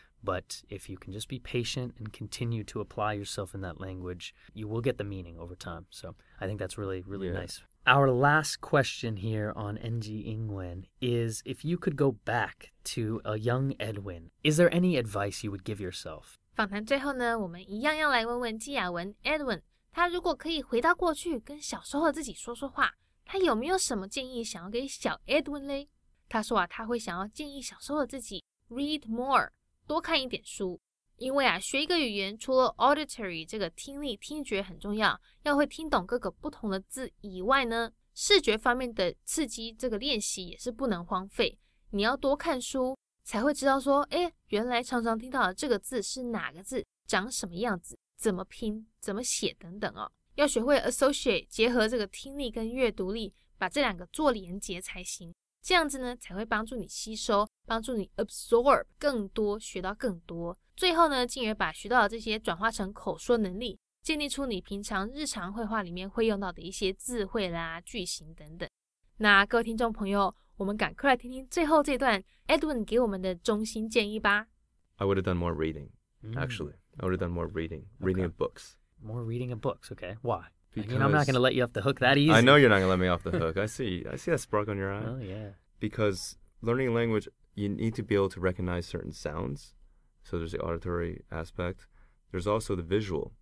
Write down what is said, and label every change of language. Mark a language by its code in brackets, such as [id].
[en] But if you can just be patient and continue to apply yourself in that language, you will get the meaning over time. So I think that's really, really nice. Our last question here on NG Ingwen is if you could go back to a young Edwin, is there any advice you would give yourself? [zh] 访谈最后呢，我们一样要来问问纪雅文 Edwin, 他如果可以回到过去跟小时候自己说说话，他有没有什么建议想要给小 Edwin 呢？他说啊，他会想要建议小时候自己 [en] read more, [zh] 多看一点书。因为啊，学一个语言除了 auditory 这个听力听觉很重要，要会听懂各个不同的字以外呢，视觉方面的刺激这个练习也是不能荒废。你要多看书，才会知道说，哎，原来常常听到的这个字是哪个字，长什么样子，怎么拼，怎么写等等哦。要学会 associate 结合这个听力跟阅读力，把这两个做连结才行。这样子呢，才会帮助你吸收，帮助你 absorb 更多，学到更多。最后呢，进而把学到的这些转化成口说能力，建立出你平常日常会话里面会用到的一些字汇啦、句型等等。那各位听众朋友，我们赶快来听听最后这段 Edwin 给我们的中心建议吧。 [en] I would have done more reading, actually. I would have done more reading, reading of books. More reading of books, okay. Why? Because, I mean, I'm not going to let you off the hook that easy. I know you're not going to let me off the hook. I see that spark on your eye. Oh, yeah. Because learning a language, you need to be able to recognize certain sounds. So there's the auditory aspect. There's also the visual.